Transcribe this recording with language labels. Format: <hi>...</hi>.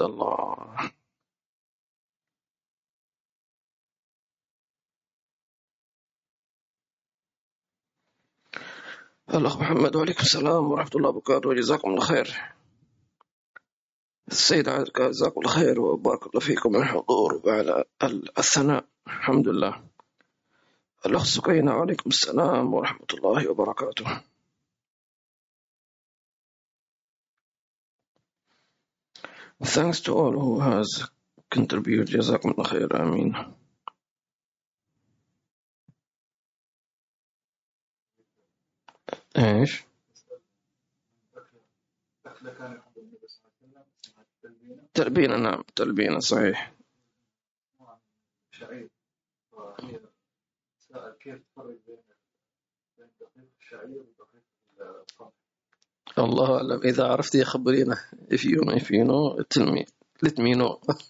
<ar>الله، الاخ محمد، وعليكم السلام ورحمه الله وبركاته، وجزاكم الله خير. السيد عزك جزاك الله خير وبارك الله فيكم على الحضور وعلى الثناء، الحمد لله. الأخ سكينة، عليكم السلام ورحمة الله وبركاته.</ar> <en>Thanks to all who has contributed.</en> <ar>جزاكم الله خير، آمين. إيش؟ أكلة كانت عند النبي صلى الله عليه وسلم، تلبينة. نعم تلبينة صحيح. الله أعلم، إذا عرفت يخبرينا.</ar> <en>If you know, if you know, tell me, let me know.</en>